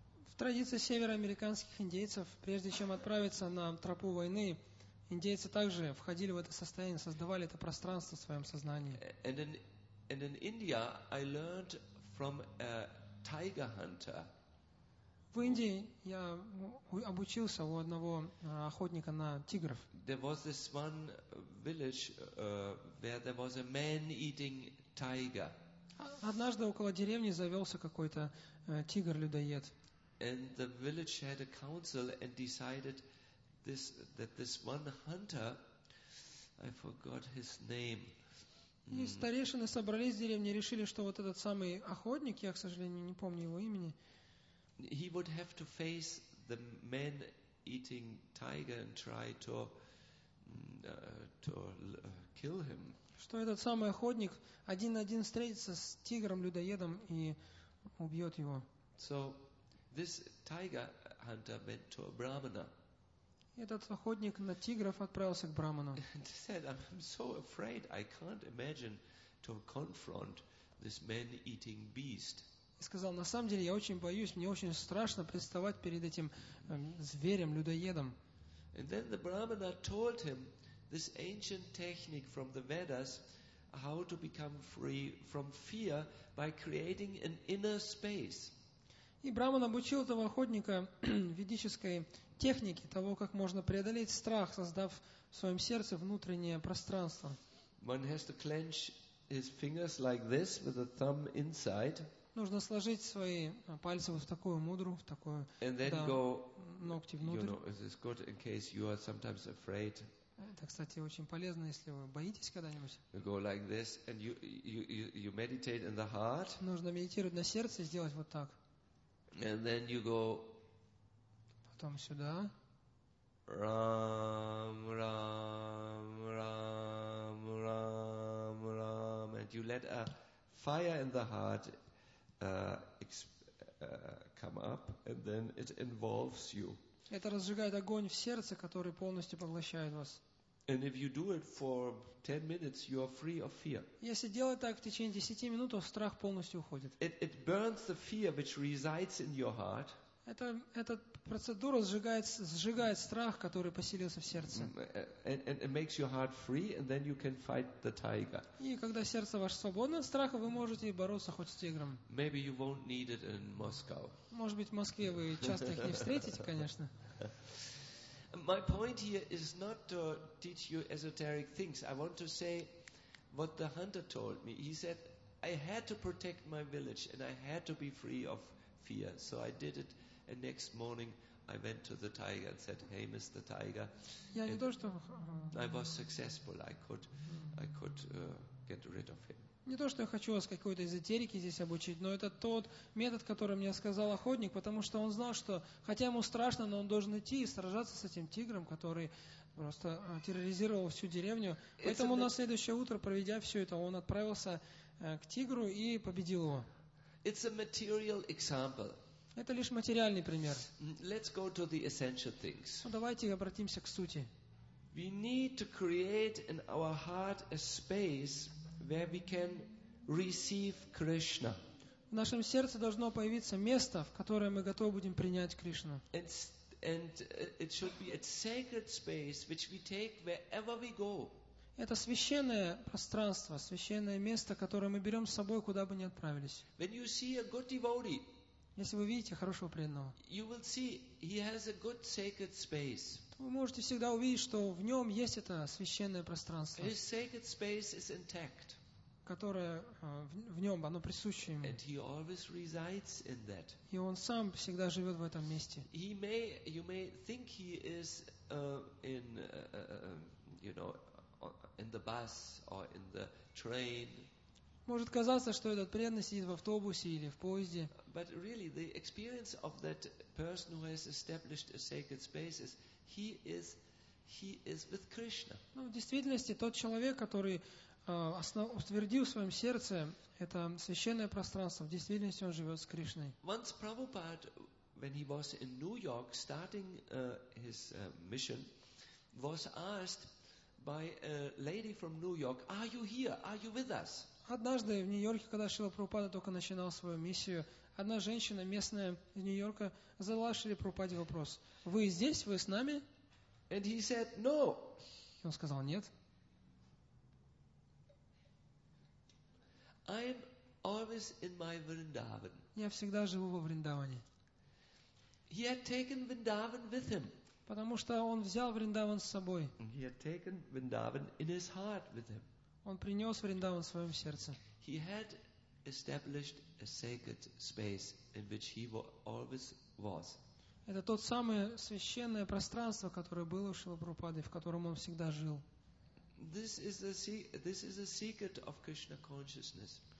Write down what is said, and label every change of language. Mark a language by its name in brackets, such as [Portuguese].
[Russian] В традиции североамериканских индейцев, прежде чем отправиться на тропу войны, индейцы также входили в это состояние, создавали это пространство в своем сознании. [English] And in India I learned from a tiger hunter. [Russian] В Индии я обучился у одного охотника на тигров. [English] There was this one village where there was a man-eating tiger. [Russian] Однажды около деревни завелся какой-то тигр-людоед. [English] And the village had a council and decided this, that this one hunter, I forgot his name. [Russian] И старейшины собрались в деревне и решили, что вот этот самый охотник, я, к сожалению, не помню его имени. [English] He would have to face the man-eating tiger and try to kill him. [Russian] Что этот самый охотник один на один встретится с тигром-людоедом и убьет его. [English] So this tiger hunter went to a brahmana. [Russian] Этот охотник на тигров отправился к брахману. [English] And said, I'm so afraid, I can't imagine to confront this man-eating beast. [Russian] И сказал, на самом деле я очень боюсь, мне очень страшно представать перед этим зверем-людоедом. [English] And then the brahmana told him this ancient technique from the Vedas, how to become free from fear by creating an inner space. [Russian] И Брахман обучил этого охотника ведической технике того, как можно преодолеть страх, создав в своем сердце внутреннее пространство. [English] One has to clench his fingers like this with a thumb inside. [Russian] Нужно сложить свои пальцы в такую мудру, в такую, [English] and then [Russian] да, [English] go, [Russian] ногти внутрь. [English] You know, it's good in case you are sometimes afraid. [Russian] Это, кстати, очень полезно, если вы боитесь когда-нибудь. [English] You go like this and you meditate in the heart. [Russian] Нужно медитировать на сердце и сделать вот так. [English] And then you go. [Russian] Потом сюда. [English] Ram, ram, ram, ram, ram, and you let a fire in the heart come up, and then it involves you. [Russian] Это разжигает огонь в сердце, который полностью поглощает вас. [English] And if you do it for 10 minutes, you are free of fear. [Russian] Если делать так в течение 10 минут, то страх полностью уходит. [English] It burns the fear which resides in your heart. [Russian] Эта процедура сжигает страх, который поселился в сердце. [English] And it makes your heart free, and then you can fight the tiger. [Russian] И когда сердце ваше свободно от страха, вы можете бороться хоть с тигром. [English] Maybe you won't need it in Moscow. [Russian] Может быть, в Москве вы часто их не встретите, конечно. [English] My point here is not to teach you esoteric things. I want to say what the hunter told me. He said, I had to protect my village and I had to be free of fear. So I did it, and next morning I went to the tiger and said, hey, Mr. Tiger. I was successful. I could get rid of him. [Russian] Не то, что я хочу вас какой-то эзотерики здесь обучить, но это тот метод, который мне сказал охотник, потому что он знал, что хотя ему страшно, но он должен идти и сражаться с этим тигром, который просто терроризировал всю деревню. Поэтому на следующее утро, проведя все это, он отправился к тигру и победил его. [English] It's a material example. [Russian] Это лишь материальный пример. [English] Let's go to the essential things. [Russian] Ну, давайте обратимся к сути. [English] We need to create in our heart a space where we can receive Krishna. [Russian] В нашем сердце должно появиться место, в которое мы готовы будем принять Кришну. [English] And it should be a sacred space which we take wherever we go. [Russian] Это священное пространство, священное место, которое мы берем с собой, куда бы ни отправились. [English] When you see a good devotee, [Russian] если вы видите хорошего преданного, [English] you will see he has a good sacred space. [Russian] Вы можете всегда увидеть, что в нем есть это священное пространство. [English] His sacred space is intact. [Russian] которое в нем, оно присуще ему. [English] And he always resides in that. [Russian] И он сам всегда живет в этом месте. [English] He may, you may think he is in, you know, in the bus or in the train. [Russian] Может казаться, что этот преданный сидит в автобусе или в поезде. [English] But really, the experience of that person who has established a sacred space is he is with Krishna. [Russian] Ну, в действительности, тот человек, который утвердил в своем сердце это священное пространство, в действительности он живет с Кришной. [English] Once Prabhupada, when he was in New York starting his mission, was asked by a lady from New York, "Are you here? Are you with us?" [Russian] Однажды в Нью-Йорке, когда Шрила Прабхупада только начинал свою миссию, одна женщина местная из Нью-Йорка задала Шриле Прабхупаде вопрос: "Вы здесь? Вы с нами?" [English] And he said, "No." [Russian] И он сказал: "Нет." [English] I am always in my Vrindavan. [Russian] Я всегда живу во Вриндаване. [English] He had taken Vrindavan with him. [Russian] Потому что он взял Вриндаван с собой. [English] He had taken Vrindavan in his heart with him. [Russian] Он принес Вриндаван в своем сердце. [English] He had established a sacred space in which he always was. [Russian] Это тот самое священное пространство, которое было у Шрилы Прабхупады, в котором он всегда жил. [English] This is a secret of Krishna consciousness.